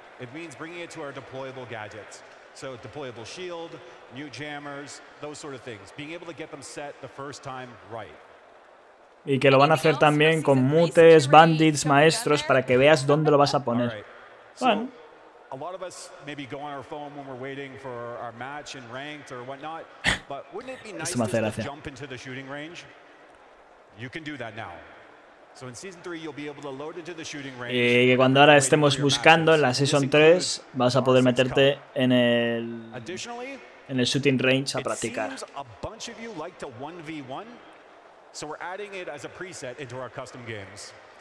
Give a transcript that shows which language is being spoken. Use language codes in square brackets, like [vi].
[en] It means bringing it to our deployable gadgets. So deployable shield, new jammers, those sort of things. Being able to get them set the first time right. [es] Y que lo van a hacer también con mutes, bandits, maestros, para que veas dónde lo vas a poner. Bueno. [en] A lot of us maybe go on our phone when we're waiting for our match in ranked or whatnot. But wouldn't it be nice to jump into the shooting range? You can do that now. So in season 3 you'll be able to load into the shooting range. [es] Y que cuando ahora estemos buscando en la season 3 vas a poder meterte en el shooting range a practicar. [en] A bunch of you like to 1v1. So we're adding it as a preset into our custom games.